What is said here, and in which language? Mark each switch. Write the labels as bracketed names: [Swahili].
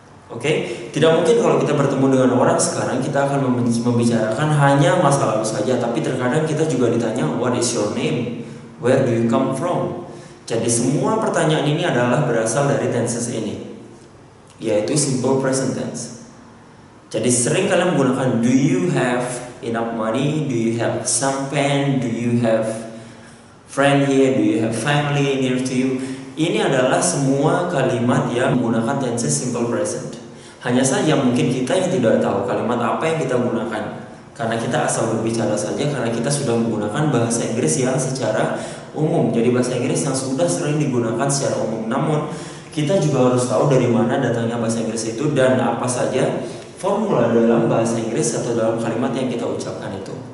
[Indonesian] Oke, tidak mungkin kalau kita bertemu dengan orang sekarang kita akan membicarakan hanya masa lalu saja, tapi terkadang kita juga ditanya [English] what is your name, where do you come from. [Indonesian] Jadi semua pertanyaan ini adalah berasal dari tenses ini, yaitu simple present tense. Jadi sering kalian menggunakan [English] do you have enough money, do you have some pen, do you have friend here, do you have family near to you. [Indonesian] Ini adalah semua kalimat yang menggunakan tenses simple present. Hanya saja mungkin kita yang tidak tahu kalimat apa yang kita gunakan, karena kita asal berbicara saja, karena kita sudah menggunakan bahasa Inggris yang secara umum. Jadi bahasa Inggris yang sudah sering digunakan secara umum. Namun kita juga harus tahu dari mana datangnya bahasa Inggris itu dan apa saja formula dalam bahasa Inggris atau dalam kalimat yang kita ucapkan itu.